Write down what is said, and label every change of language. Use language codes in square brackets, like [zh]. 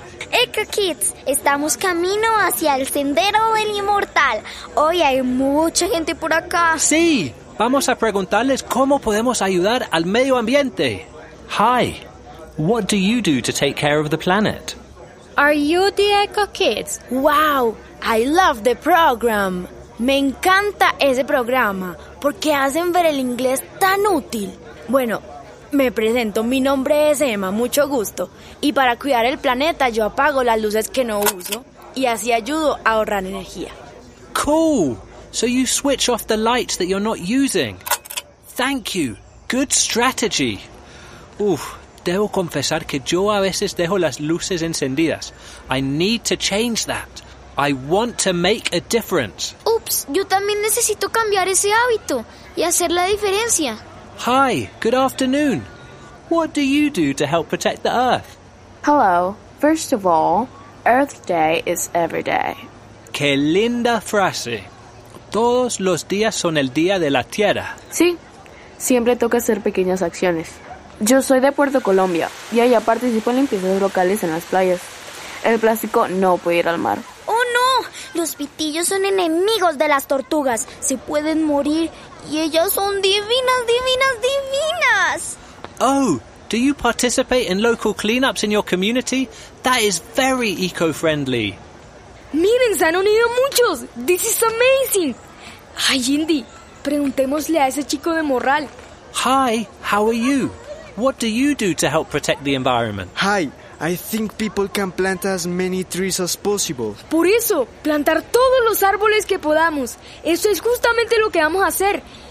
[es] ¡Eco Kids! Estamos camino hacia el Sendero del Inmortal. Hoy hay mucha gente por acá. ¡Sí! Vamos a preguntarles cómo podemos ayudar al medio ambiente. [en] Hi, what do you do to take care of the planet? Are you the Eco Kids? Wow, I love the program. [es] Me encanta ese programa porque hacen ver el inglés tan útil. Bueno, me presento, mi nombre es Emma, mucho gusto. Y para cuidar el planeta yo apago las luces que no uso y así ayudo a ahorrar energía. [en] Cool, so you switch off the lights that you're not using. Thank you, good strategy. [es] Uf, debo confesar que yo a veces dejo las luces encendidas. [en] I need to change that. I want to make a difference. [es] Oops, yo también necesito cambiar ese hábito y hacer la diferencia. [en] Hi, good afternoon. What do you do to help protect the Earth? Hello, first of all, Earth Day is every day. [es] Qué linda frase. Todos los días son el día de la Tierra. Sí, siempre toca hacer pequeñas acciones. Yo soy de Puerto Colombia y allá participo en limpiezas locales en las playas. El plástico no puede ir al mar. ¡Oh, no! Los pitillos son enemigos de las tortugas. Se pueden morir y ellas son divinas, divinas, divinas. [en] Oh, do you participate in local cleanups in your community? That is very eco-friendly. [es] ¡Miren, se han unido muchos! [en] ¡This is amazing! [es] Ay, Indy, preguntémosle a ese chico de Morral. [en] Hi, how are you? What do you do to help protect the environment? Hi, I think people can plant as many trees as possible. [es] Por eso, plantar todos los árboles que podamos. Eso es justamente lo que vamos a hacer.